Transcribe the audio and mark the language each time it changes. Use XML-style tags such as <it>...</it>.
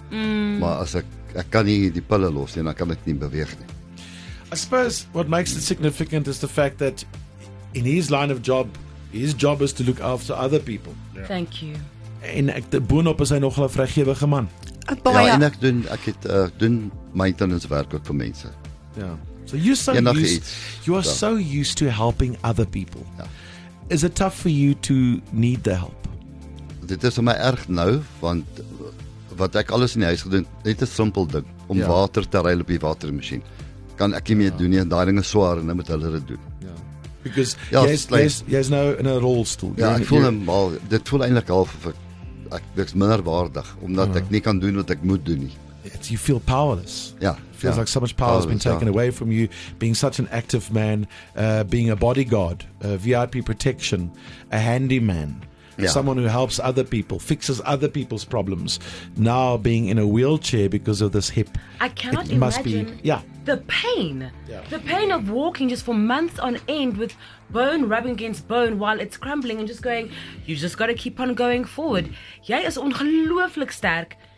<af>Maar as ek kan nie die pille los nie, dan kan ek nie beweeg nie.</af> <en>I suppose what makes it significant is the fact that in his line of job, his job is to look after other people. Yeah. Thank you.</en> <af>En ek te boonop is hy nogal 'n vrygewige man. Baie. Ja, en ek doen maintenance werk ook vir mense. Ja.</af> <en>So you are so used to helping other people.</en> <af>Ja.</af> <en>Is it tough for you to need the help?</en> <af>Dit is vir my erg nou, want wat ek alles in die huis gedoen, net 'n simpel ding, om water te ruil op die watermasjien. Kan ek nie meer doen nie, en daai ding is swaar en nou moet hulle dit doen. Ja. Because jy is nou in 'n rolstoel. Ja, ek voel normaal. Dit voel eintlik half of ek is minder waardig, omdat ek nie kan doen wat ek moet doen nie.</af> <en>You feel powerless.</en> <af>Ja.</af> <en>It feels like so much power has been taken away from you, being such an active man, being a bodyguard, VIP protection, a handyman, someone who helps other people, fixes other people's problems, now being in a wheelchair because of this hip. I cannot imagine. Must be, yeah. The pain of walking just for months on end with bone rubbing against bone while it's crumbling and just going, you just got to keep on going forward.</en> <af>Jy is ongelooflik sterk.</af>